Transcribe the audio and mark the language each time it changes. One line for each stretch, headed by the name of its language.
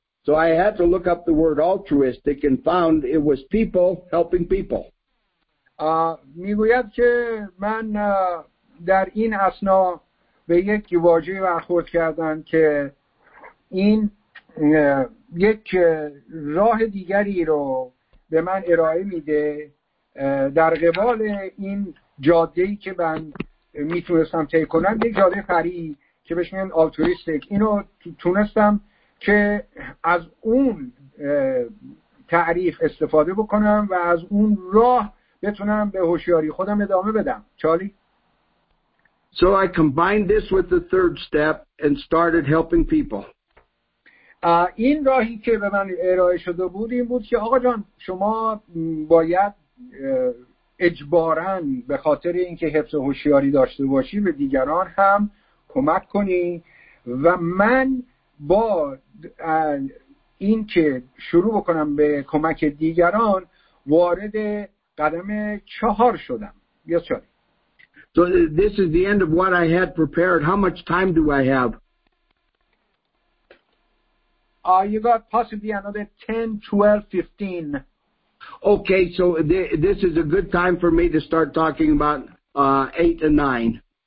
English: So I had to look up the word altruistic and found it was people helping people.
Persian: میگوید که من در این اسنا به یک واژه‌ای برخورد کردم که این یک راه دیگری رو به من ارائه میده در قبال این جاده‌ای که من میتونستم طی کنم، یک جاده فری که بهش میگن altruistic. اینو تونستم که از اون تعریف استفاده بکنم و از اون راه بتونم به هوشیاری خودم ادامه بدم. چالی.
English: So I combined this with the third step and started helping people.
Persian: این راهی که به من ارائه شده بود این بود که آقا جان شما باید اجباراً به خاطر اینکه حفظ هوشیاری داشته باشی به دیگران هم کمک کنی و من با این که شروع بکنم به کمک دیگران وارد قدم چهار شدم. یا چهار.
English: So this is the end of what I had prepared. How much time do I have? You got possibly another 10, 12, 15. Okay, so this is a good time for me to start talking about 8 and 9.